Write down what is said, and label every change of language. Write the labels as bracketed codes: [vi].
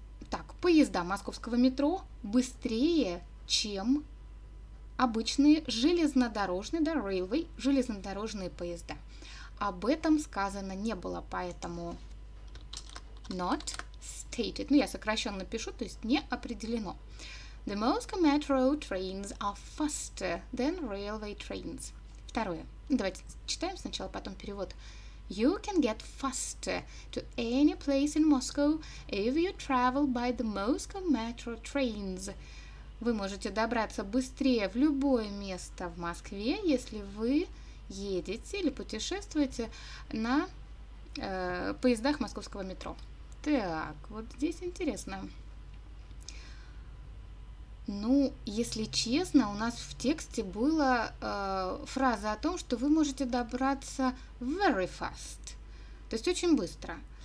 [ru] Так, поезда московского метро быстрее, чем обычные железнодорожные, да, railway, железнодорожные поезда. Об этом сказано не было, поэтому [en] not stated. [ru] Ну, я сокращенно пишу, то есть не определено. [en] The Moscow Metro trains are faster than railway trains. [ru] Второе. Давайте читаем сначала, потом перевод. [en] You can get faster to any place in Moscow if you travel by the Moscow Metro trains. [ru] Вы можете добраться быстрее в любое место в Москве, если вы едете или путешествуете на поездах московского метро. Так, вот здесь интересно. Ну, если честно, у нас в тексте была фраза о том, что вы можете добраться [en] very fast, [ru] то есть очень быстро.